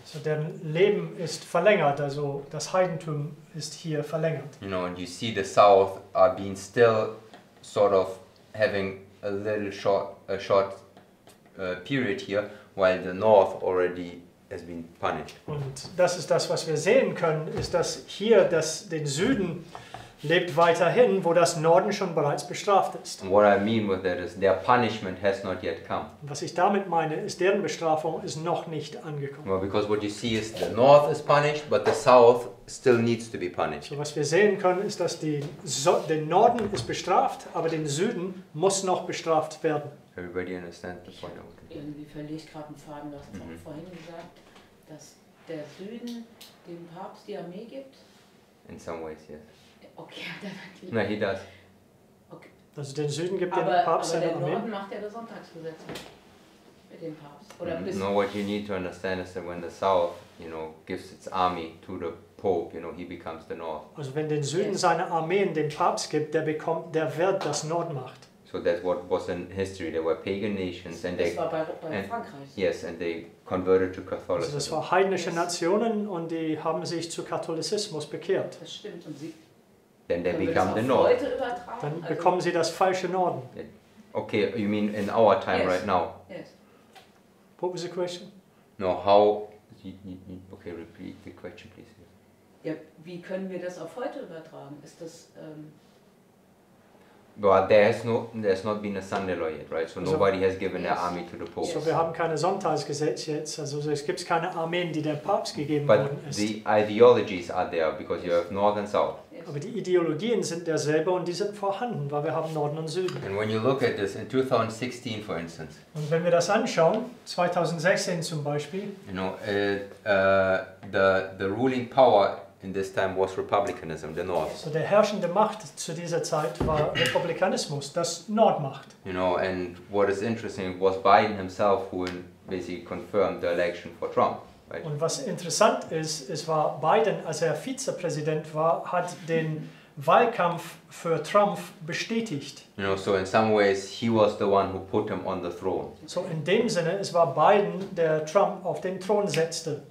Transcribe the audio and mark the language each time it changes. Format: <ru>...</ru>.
<de>So deren Leben ist verlängert, also das Heidentum ist hier verlängert.</de> <en>You know, and you see the South are being still sort of having a short period here, while the North already has been punished.</en> <de>Und das ist das, was wir sehen können, ist, dass hier das den Süden lebt weiterhin, wo das Norden schon bereits bestraft ist.</de> <en>What I mean with that is their punishment has not yet come.</en> <de>Was ich damit meine, ist, deren Bestrafung ist noch nicht angekommen.</de> <en>Well, because what you see is the North is punished, but the South still needs to be punished.</en> <de>So, was wir sehen können, ist, dass der Norden ist bestraft, aber den Süden muss noch bestraft werden.</de> <en>Everybody understand the point?</en> <de>Irgendwie verliere ich gerade einen Faden, das hat vorhin gesagt, dass der Süden dem Papst die Armee gibt.</de> <en>In some ways, yes. Okay,</en> <de>nein,</de> <en>he does. Okay.</en> <de>Also den Süden gibt dem Papst seine Armee. Aber der Norden macht ja das Sonntagsgesetz mit dem Papst.</de> <en>No, what you need to understand is that when the South, you know, gives its army to the Pope, you know, he becomes the North.</en> <de>Also wenn den Süden seine Armeen dem Papst gibt, der wird das Nordmacht.</de> <en>So that's what was in history. There were pagan nations and they.</en> <de>Das war bei Frankreich.</de> <en>Yes, and they converted to Catholicism.</en> <de>Also das war heidnische Nationen und die haben sich zu Katholizismus bekehrt. Das stimmt und sie.</de> <en>Then they become the North.</en> <de>Dann bekommen sie das falsche Norden.</de> <en>Okay, you mean in our time, yes. Right now? Yes. What was the question? No, how? Okay, repeat the question, please.</en> <de>Ja, wie können wir das auf heute übertragen? Ist das?</de> <en>Well, there's not been a Sunday law yet, right? So nobody has given their army to the Pope.</en> <de>So wir haben keine Sonntagsgesetz jetzt, also es gibt keine Armeen, die der Papst gegeben</de> <en>but</en> <de>worden ist.</de> <en>But the ideologies are there because you have North and South.</en> <de>Aber die Ideologien sind derselbe und die sind vorhanden, weil wir haben Norden und Süden.</de> <en>And when you look at this in 2016, for instance.</en> <de>Und wenn wir das anschauen, 2016 zum Beispiel.</de> <en>You know, the ruling power in this time was republicanism, the North.</en> <de>So der herrschende Macht zu dieser Zeit war Republikanismus, das Nordmacht.</de> <en>You know, and what is interesting was Biden himself who basically confirmed the election for Trump. Right.</en> <de>Und was interessant ist, es war Biden, als er Vizepräsident war, hat den Wahlkampf für Trump bestätigt.</de> <en>You know, so in some ways he was the one who put him on the throne.</en> <de>So in dem Sinne, es war Biden, der Trump auf den Thron setzte.</de>